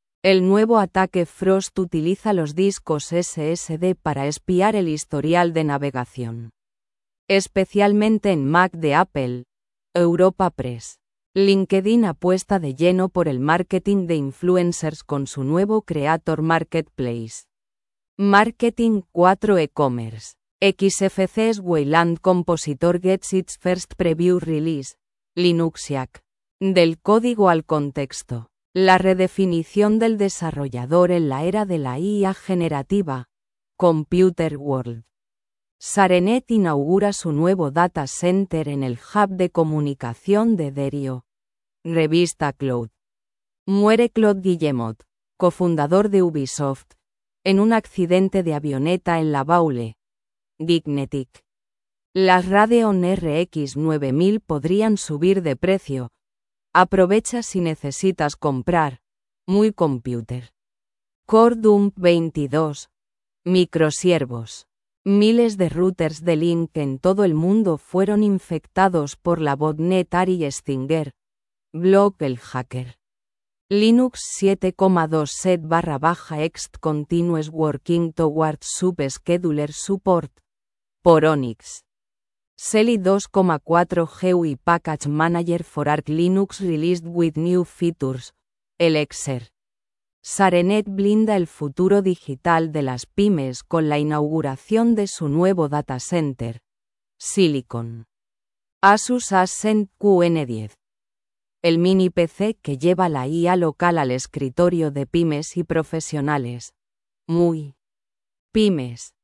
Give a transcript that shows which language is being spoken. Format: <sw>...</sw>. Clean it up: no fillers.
<es>El nuevo ataque Frost utiliza los discos SSD para espiar el historial de navegación. Especialmente en Mac de Apple. Europa Press. LinkedIn apuesta de lleno por el marketing de influencers con su nuevo Creator Marketplace. Marketing 4 e-commerce.</es> <en>XFCE's Wayland Compositor gets its first preview release.</en> <es>Linuxiac. Del código al contexto. La redefinición del desarrollador en la era de la IA generativa. Computer World. Sarenet inaugura su nuevo data center en el hub de comunicación de Derio. Revista Cloud. Muere Claude Guillemot, cofundador de Ubisoft, en un accidente de avioneta en la Baule. Dignetic. Las Radeon RX 9000 podrían subir de precio. Aprovecha si necesitas comprar. Muy Computer. Core Dump 22. Microsiervos. Miles de routers de Link en todo el mundo fueron infectados por la botnet Ari Stinger. Blog El Hacker.</es> <en>Linux 7.2 set/ext continues working towards subscheduler support. Poronix. Selly 2.4 GUI Package Manager for Arc Linux released with new features.</en> <es>Elixir. Sarenet blinda el futuro digital de las pymes con la inauguración de su nuevo data center. Silicon. Asus AscendQN10. El mini PC que lleva la IA local al escritorio de pymes y profesionales. Muy. Pymes.</es>